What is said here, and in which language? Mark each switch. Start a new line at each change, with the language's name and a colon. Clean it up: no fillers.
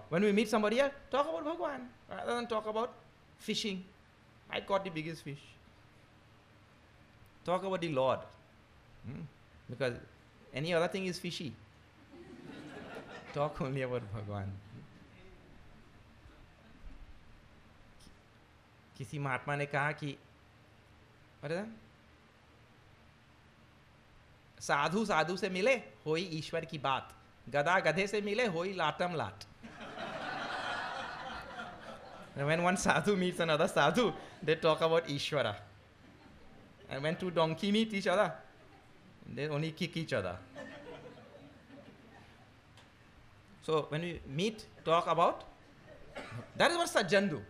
English: When we meet somebody else, talk about Bhagwan rather than talk about fishing. I caught the biggest fish. Talk about the Lord. Because any other thing is fishy. Talk only about Bhagwan.
Hindi: किसी महात्मा ने कहा कि साधु साधु से मिले हो ही ईश्वर की बात, गधा गधे से मिले हो ही लाटम लाट.
English: When one sadhu meets another sadhu, they talk about Ishwara. And when two donkey meet each other, they only kick each other. So when we meet, talk about, that is what sajjan do.